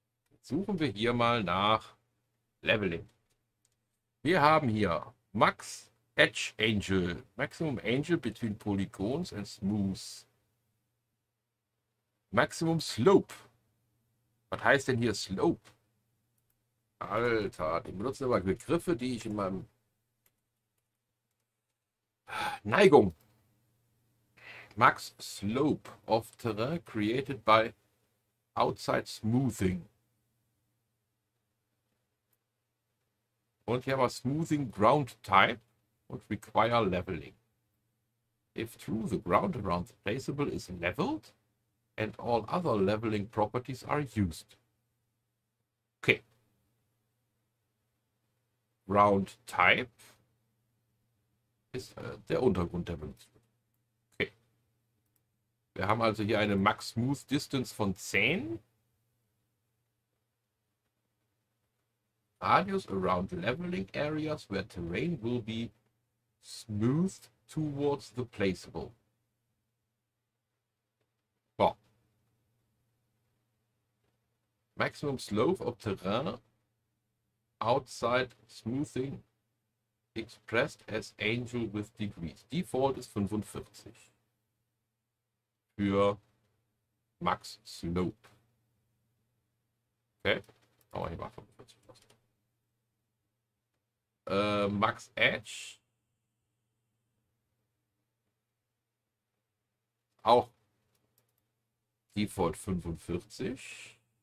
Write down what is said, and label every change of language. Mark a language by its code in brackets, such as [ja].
[de] Jetzt suchen wir hier mal nach Leveling. Wir haben hier Max Edge Angel, [en] Maximum Angel between Polygons and Smooth. [de] Maximum Slope. Was heißt denn hier Slope? Alter, die benutzen aber Begriffe, die ich in meinem Neigung. [en] Max Slope of Terrain created by Outside Smoothing. [de] Und hier haben wir Smoothing Ground Type und Require Leveling. [en] If true, the ground around the placeable is leveled and all other leveling properties are used. Okay. [de] Ground Type ist der Untergrund der Benutzung. Okay. Wir haben also hier eine Max Smooth Distance von 10. [en] Radius around leveling areas where terrain will be smoothed towards the placeable. Boah. Maximum slope of terrain outside smoothing expressed as angel with degrees. [de] Default ist 45 für Max Slope. Okay, aber hier war 45. Max Edge auch Default 45.